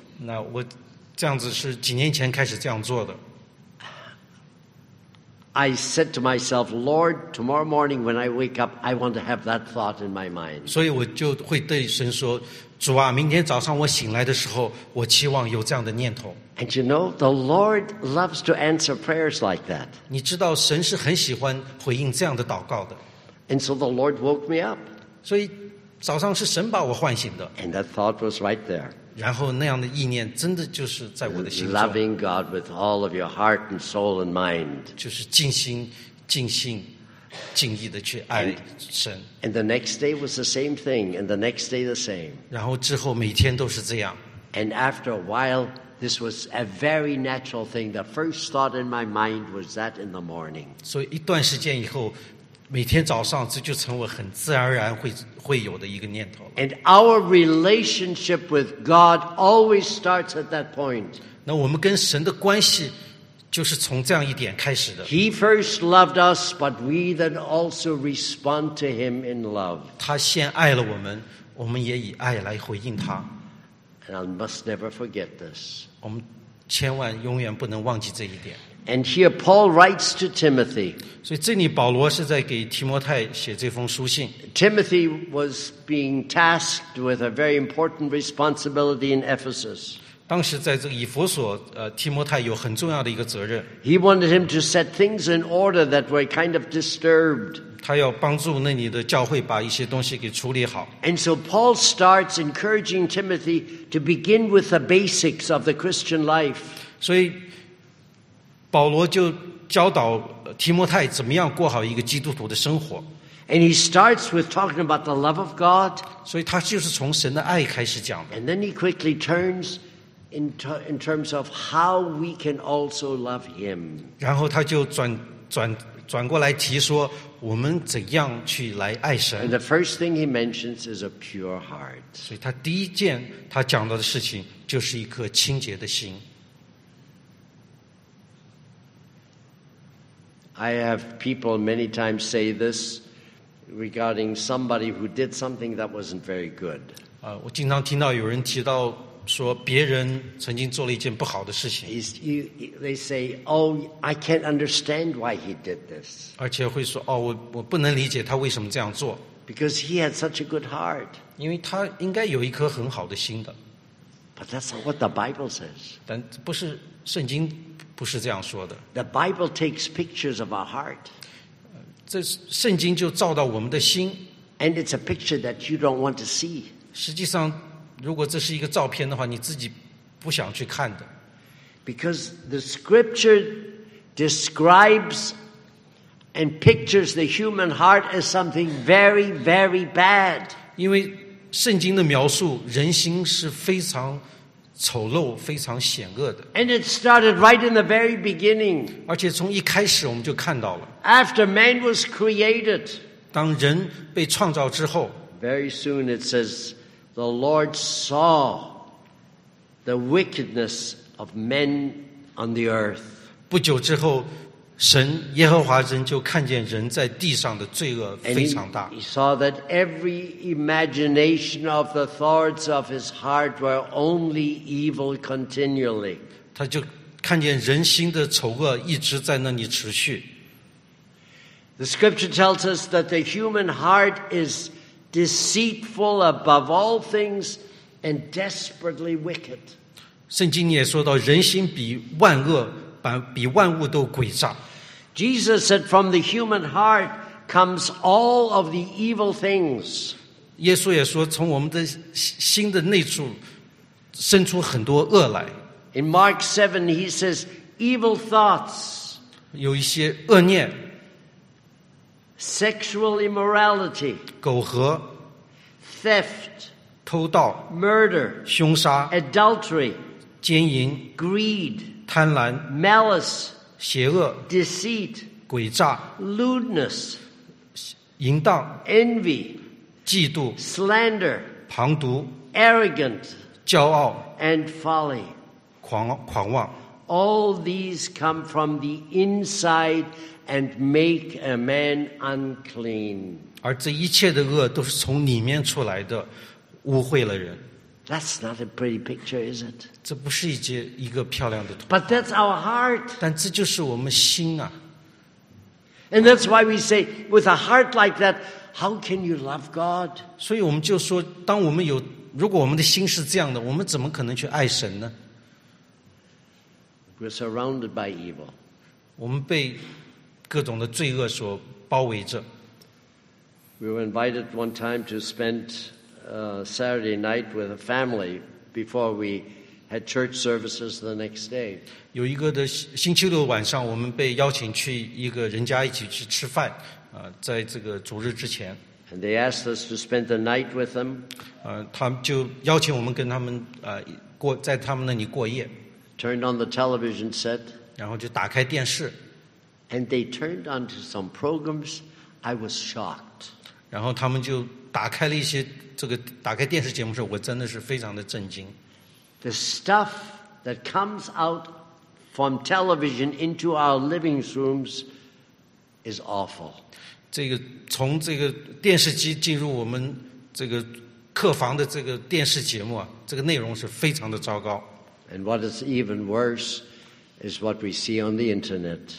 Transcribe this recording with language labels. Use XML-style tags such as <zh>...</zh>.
<zh>那我这样子是几年前开始这样做的。</zh> <en>I said to myself, Lord, tomorrow morning when I wake up, I want to have that thought in my mind.</en> <zh>所以我就会对神说，主啊，明天早上我醒来的时候，我期望有这样的念头。</zh> <en>And you know, the Lord loves to answer prayers like that.</en> <zh>你知道神是很喜欢回应这样的祷告的。</zh> <en>And so the Lord woke me up.</en> <zh>所以早上是神把我唤醒的。</zh> <en>And that thought was right there.</en> <zh>然后那样的意念真的就是在我的心中。</zh> <en>Loving God with all of your heart and soul and mind.</en> <zh>就是尽心尽性敬意的去爱神。</zh> <en>And the next day was the same thing, and the next day the same.</en> <zh>然后之后每天都是这样。</zh> <en>And after a while, this was a very natural thing. The first thought in my mind was that in the morning.</en> <zh>所以一段时间以后，每天早上这就成为很自然而然会有的一个念头了。</zh> <en>And our relationship with God always starts at that point.</en> <zh>那我们跟神的关系就是从这样一点开始的。</zh> <en>He first loved us, but we then also respond to him in love.</en> <zh>他先爱了我们，我们也以爱来回应他。</zh> <en>And I must never forget this.</en> <zh>我们千万永远不能忘记这一点。</zh> <en>And here Paul writes to Timothy.</en> <zh>所以这里保罗是在给提摩太写这封书信。</zh> <en>Timothy was being tasked with a very important responsibility in Ephesus.</en> <zh>当时在这个以弗所，提摩太有很重要的一个责任。</zh> <en>He wanted him to set things in order that were kind of disturbed.</en> <zh>他要帮助那里的教会把一些东西给处理好。</zh> <en>And so Paul starts encouraging Timothy to begin with the basics of the Christian life.</en> <zh>所以保罗就教导提摩太怎么样过好一个基督徒的生活。</zh> <en>And he starts with talking about the love of God.</en> <zh>所以他就是从神的爱开始讲的。</zh> <en>And then he quickly turns. In terms of how we can also love him.</en> <zh>然后他就转过来提说，我们怎样去来爱神。</zh> <en>And the first thing he mentions is a pure heart.</en> <zh>所以他第一件他讲到的事情就是一颗清洁的心。</zh> <en>I have people many times say this regarding somebody who did something that wasn't very good.</en> <zh>我经常听到有人提到。说别人曾经做了一件不好的事情。</zh> <en>They say, "Oh, I can't understand why he did this."</en> <zh>而且会说，哦，我不能理解他为什么这样做。</zh> <en>Because he had such a good heart.</en> <zh>因为他应该有一颗很好的心的。</zh> <en>But that's not what the Bible says.</en> <zh>但不是圣经不是这样说的。</zh> <en>The Bible takes pictures of our heart.</en> <zh>这圣经就照到我们的心。</zh> <en>And it's a picture that you don't want to see.</en> <zh>实际上。如果这是一个照片的话，你自己不想去看的。</zh> <en>Because the scripture describes and pictures the human heart as something very, very bad.</en> <zh>因为圣经的描述人心是非常丑陋、非常险恶的。</zh> <en>And it started right in the very beginning.</en> <zh>而且从一开始我们就看到了。</zh> <en>After man was created.</en> <zh>当人被创造之后。</zh> <en>Very soon it says. The Lord saw the wickedness of men on the earth.</en> <zh>不久之后，神耶和华神就看见人在地上的罪恶非常大。</zh> <en>He saw that every imagination of the thoughts of his heart were only evil continually.</en> <zh>他就看见人心的丑恶一直在那里持续。</zh> <en>The Scripture tells us that the human heart is. Deceitful above all things and desperately wicked.</en> <zh>圣经也说到人心比万物都诡诈。</zh> <en>Jesus said from the human heart comes all of the evil things.</en> <zh>耶稣也说从我们的心的内处生出很多恶来。</zh> <en>In Mark 7 he says evil thoughts.</en> <zh>有一些恶念。</zh> <en>Sexual immorality,</en> <zh>苟合</zh> <en>theft,</en> <zh>偷盗</zh> <en>murder,</en> <zh>凶杀</zh> <en>adultery,</en> <zh>奸淫</zh> <en>greed,</en> <zh>贪婪</zh> <en>malice,</en> <zh>邪恶</zh> <en>deceit,</en> <zh>诡诈</zh> <en>lewdness,</en> <zh>淫荡</zh> <en>envy,</en> <zh>嫉妒</zh> <en>slander,</en> <zh>旁读</zh> <en>arrogant,</en> <zh>骄傲</zh> <en>and folly,</en> <zh>狂妄</zh> <en>All these come from the inside. And make a man unclean.</en> <zh>而这一切的恶都是从里面出来的，污秽了人。</zh> <en>That's not a pretty picture, is it?</en> <zh>这不是一个漂亮的图画。</zh> <en>But that's our heart.</en> <zh>但这就是我们心啊。</zh> <en>And that's why we say, with a heart like that, how can you love God?</en> <zh>所以我们就说，当我们有，如果我们的心是这样的，我们怎么可能去爱神呢？</zh> <en>We're surrounded by evil.</en> <zh>我们被各种的罪恶所包围着。</zh> <en>We were invited one time to spend Saturday night with a family before we had church services the next day.</en> <zh>有一个的星期六晚上，我们被邀请去一个人家一起去吃饭，在这个主日之前。</zh> <en>And they asked us to spend the night with them.</en> <zh>他们就邀请我们跟他们过在他们那里过夜。</zh> <en>Turned on the television set.</en> <zh>然后就打开电视。</zh> <en>And they turned on to some programs. I was shocked.</en> <zh>然后他们就打开了一些这个打开电视节目的时候，我真的是非常的震惊。</zh> <en>The stuff that comes out from television into our living rooms is awful.</en> <zh>这个从这个电视机进入我们这个客房的这个电视节目啊，这个内容是非常的糟糕。</zh> <en>And what is even worse is what we see on the internet.</en>